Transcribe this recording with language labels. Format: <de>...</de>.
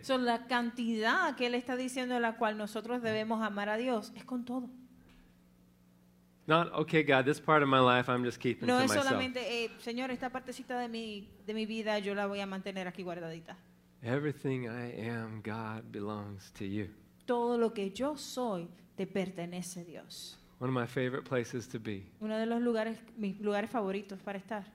<es>So la cantidad que él está diciendo la cual nosotros debemos amar a Dios es con todo.</es> <en>Not, okay, God, this part of my life I'm just keeping</en> <es>no</es> <en>to myself.</en> <es>No es solamente, Señor, esta partecita de mi vida yo la voy a mantener aquí guardadita.</es> <en>Everything I am, God, belongs to you.</en> <es>Todo lo que yo soy te pertenece a Dios.</es> <en>One of my favorite places to be.</en> <es>Uno de los lugares, mis lugares favoritos para estar.</es>